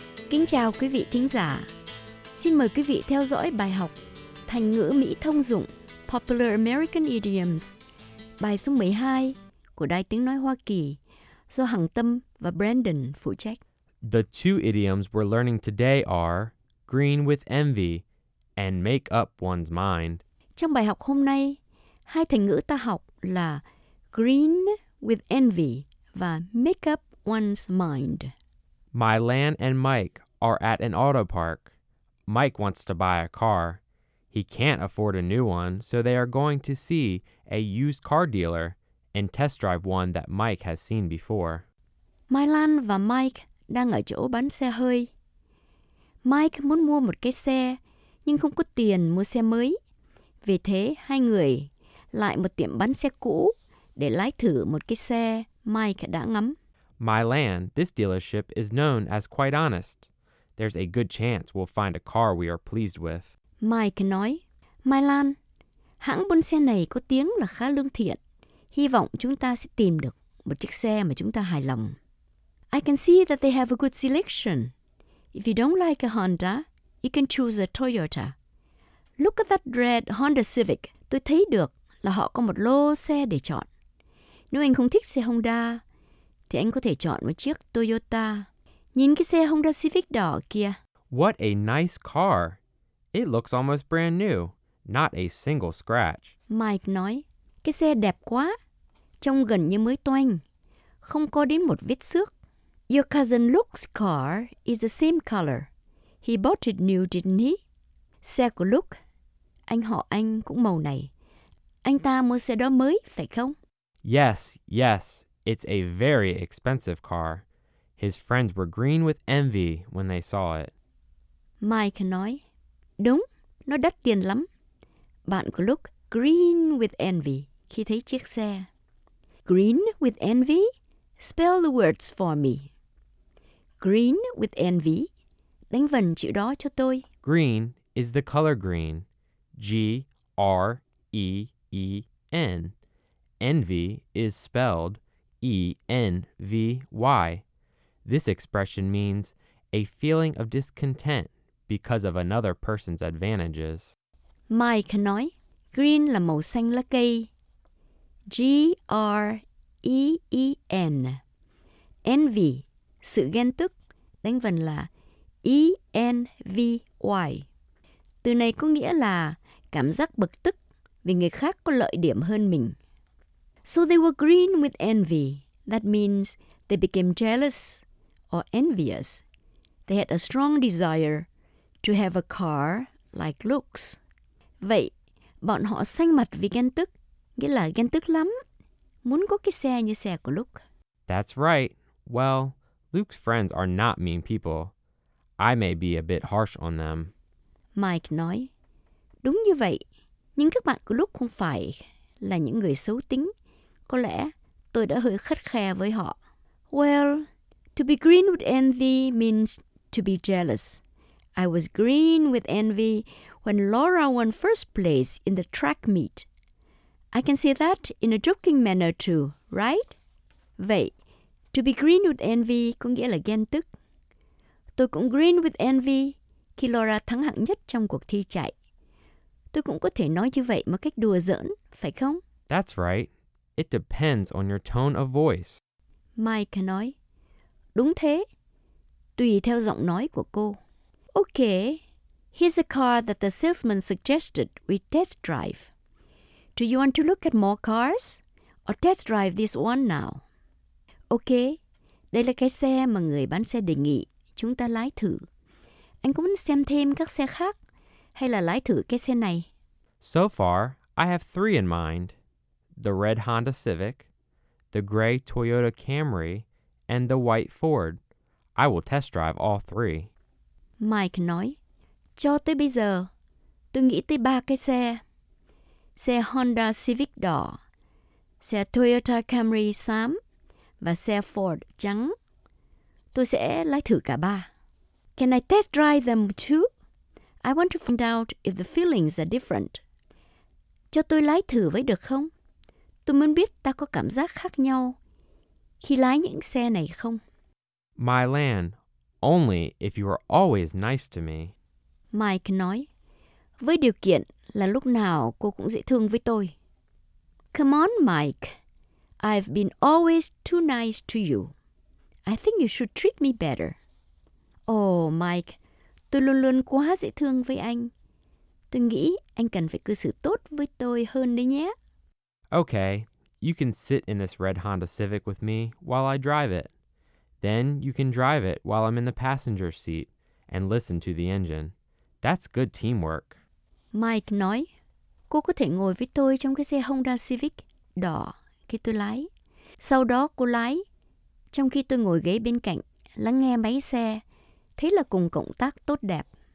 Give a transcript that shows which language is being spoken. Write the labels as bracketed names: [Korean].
[Vietnamese] Kính chào quý vị thính giả. Xin mời quý vị theo dõi bài học thành ngữ Mỹ thông dụng [English] Popular American Idioms, [Vietnamese] bài số 12 của Đài Tiếng Nói Hoa Kỳ, do Hằng Tâm và Brandon phụ trách. [English] The two idioms we're learning today are green with envy and make up one's mind. [Vietnamese] Trong bài học hôm nay, hai thành ngữ ta học là [English] green with envy [Vietnamese] và [English] make up one's mind. Mylan and Mike are at an auto park. Mike wants to buy a car. He can't afford a new one, so they are going to see a used car dealer and test drive one that Mike has seen before. [Vietnamese] Mylan và Mike đang ở chỗ bán xe hơi. Mike muốn mua một cái xe, nhưng không có tiền mua xe mới. Vì thế, hai người lại một tiệm bán xe cũ để lái thử một cái xe Mike đã ngắm. [English] Mylan, this dealership is known as quite honest. There's a good chance we'll find a car we are pleased with. [Vietnamese] Mike nói, Mylan, hãng buôn xe này có tiếng là khá lương thiện. Hy vọng chúng ta sẽ tìm được một chiếc xe mà chúng ta hài lòng. [English] I can see that they have a good selection. If you don't like a Honda, you can choose a Toyota. Look at that red Honda Civic. [Vietnamese] Tôi thấy được là họ có một lô xe để chọn. Nếu anh không thích xe Honda, thì anh có thể chọn một chiếc Toyota. Nhìn cái xe Honda Civic đỏ kia. [English] What a nice car. It looks almost brand new, not a single scratch. [Vietnamese] Mike nói, cái xe đẹp quá, trông gần như mới toanh, không có đến một vết xước. [English] Your cousin Luke's car is the same color. He bought it new, didn't he? [Vietnamese] Xe của Luke, anh họ anh cũng màu này. Anh ta mua xe đó mới, phải không? [English] Yes, yes. It's a very expensive car. His friends were green with envy when they saw it. [Vietnamese] Mike nói, đúng, nó đắt tiền lắm. Bạn của Luke [English] green with envy [Vietnamese] khi thấy chiếc xe. [English] Green with envy? Spell the words for me. Green with envy. [Vietnamese] Đánh vần chữ đó cho tôi. [English] Green is the color green. G-R-E-E-N. Envy is spelled E-N-V-Y. This expression means a feeling of discontent because of another person's advantages. [Vietnamese] Mike nói, green là màu xanh lá cây. G-R-E-E-N. Envy, sự ghen tức, đánh vần là E-N-V-Y. Từ này có nghĩa là cảm giác bực tức vì người khác có lợi điểm hơn mình. [English] So they were green with envy. That means they became jealous or envious. They had a strong desire to have a car like Luke's. [Vietnamese] Vậy, bọn họ xanh mặt vì ghen tức, nghĩa là ghen tức lắm, muốn có cái xe như xe của Luke. [English] That's right. Well, Luke's friends are not mean people. I may be a bit harsh on them. [Vietnamese] Mike nói, đúng như vậy, nhưng các bạn của Luke không phải là những người xấu tính. Có lẽ tôi đã hơi khắt khe với họ. [English] Well, to be green with envy means to be jealous. I was green with envy when Laura won first place in the track meet. I can say that in a joking manner too, right? [Vietnamese] Vậy, [English] to be green with envy [Vietnamese] có nghĩa là ghen tức. Tôi cũng [English] green with envy [Vietnamese] khi Laura thắng hạng nhất trong cuộc thi chạy. Tôi cũng có thể nói như vậy một cách đùa giỡn, phải không? [English] That's right. It depends on your tone of voice. [Vietnamese] Mike nói, đúng thế, tùy theo giọng nói của cô. [English] Okay, here's a car that the salesman suggested we test drive. Do you want to look at more cars or test drive this one now? [Vietnamese] Okay, đây là cái xe mà người bán xe đề nghị chúng ta lái thử. Anh có muốn xem thêm các xe khác hay là lái thử cái xe này? [English] So far, I have three in mind. The red Honda Civic, the gray Toyota Camry, and the white Ford. I will test drive all three. [Vietnamese] Mike nói, cho tới bây giờ, tôi nghĩ tới ba cái xe. Xe Honda Civic đỏ, xe Toyota Camry xám, và xe Ford trắng. Tôi sẽ lái thử cả ba. [English] Can I test drive them too? I want to find out if the feelings are different. [Vietnamese] Cho tôi lái thử với được không? Tôi muốn biết ta có cảm giác khác nhau khi lái những xe này không. [English] My Lan, only if you are always nice to me. [Vietnamese] Mike nói, với điều kiện là lúc nào cô cũng dễ thương với tôi. [English] Come on, Mike. I've been always too nice to you. I think you should treat me better. [Vietnamese] Oh, Mike, tôi luôn luôn quá dễ thương với anh. Tôi nghĩ anh cần phải cư xử tốt với tôi hơn đấy nhé. [English] Okay, you can sit in this red Honda Civic with me while I drive it. Then you can drive it while I'm in the passenger seat and listen to the engine. That's good teamwork. [Vietnamese] Mike nói, cô có thể ngồi với tôi trong cái xe Honda Civic đỏ khi tôi lái. Sau đó cô lái, trong khi tôi ngồi ghế bên cạnh, lắng nghe máy xe. Thế là cùng cộng tác tốt đẹp.